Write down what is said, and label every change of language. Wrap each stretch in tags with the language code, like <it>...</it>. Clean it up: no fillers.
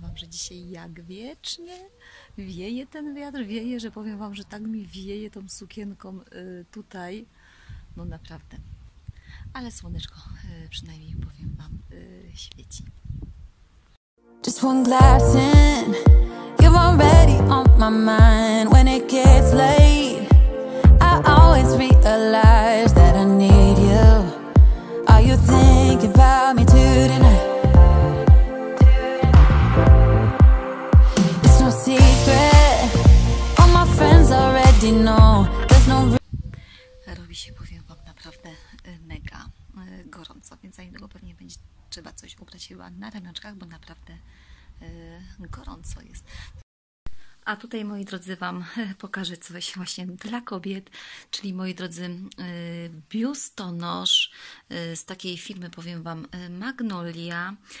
<pl>się, jak wiecznie wieje ten wiatr. Wieje, że powiem wam, że tak mi wieje tą sukienką tutaj. No naprawdę. Ale słoneczko, przynajmniej powiem wam, świeci.</pl> <en>Just one glass in. You're already on my mind. When it gets late, I always realize that I need you. Are you thinking about me too tonight? It's no secret. All my friends already know. There's no.</en> <pl>Robi się, powiem wam, naprawdę mega gorąco, więc za niedługo pewnie będzie trzeba coś ubrać chyba na ramionczkach, bo naprawdę gorąco jest. A tutaj, moi drodzy, wam pokażę coś właśnie dla kobiet, czyli, moi drodzy, biustonosz z takiej firmy, powiem wam, Magnolia.</pl>